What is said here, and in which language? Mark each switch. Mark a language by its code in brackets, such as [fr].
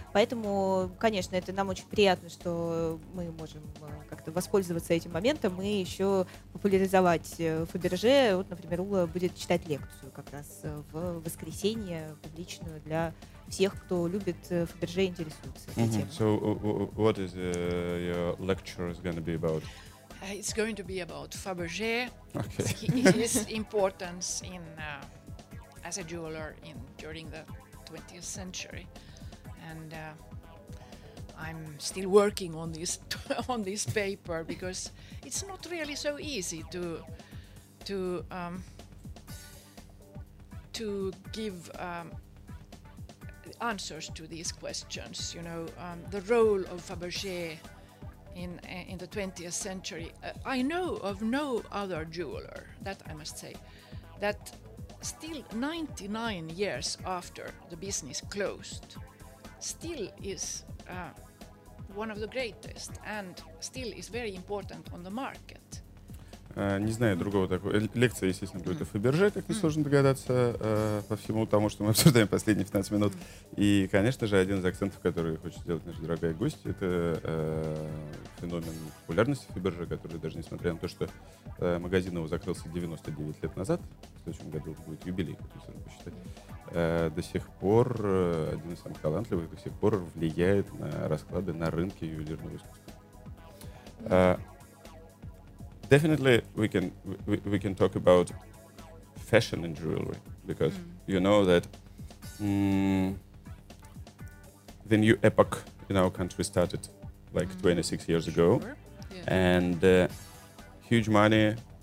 [ru] Поэтому, конечно, это нам очень приятно, что мы можем как-то воспользоваться этим моментом и еще популяризовать Фаберже. Вот, например, Ула будет читать лекцию как раз в воскресенье публичную для всех, кто любит Фаберже, интересуется этой темой. [en] So what is your lecture is going to be about? It's going to be about Fabergé, his importance in as a jeweler in during the 20th century, and I'm still working on this on this paper because it's not really so easy to give answers to these questions. You know, the role of Fabergé in the 20th century. I know of no other jeweler, that I must say, that still 99 years after the business closed, still is one of the greatest and still is very important on the market. [ru] Не знаю другого такого. Лекция, естественно, будет о Фаберже, как несложно догадаться, по всему тому, что мы обсуждаем последние 15 минут. И, конечно же, один из акцентов, который хочет сделать наша дорогая гость, это феномен популярности Фаберже, который даже несмотря на то, что магазин его закрылся 99 лет назад, в следующем году будет юбилей, как можно посчитать, до сих пор один из самых талантливых до сих пор влияет на расклады на рынке ювелирного искусства. [en] Definitely, we can talk about fashion and jewelry because you know that the new epoch in our country started like 26 years ago, and huge money.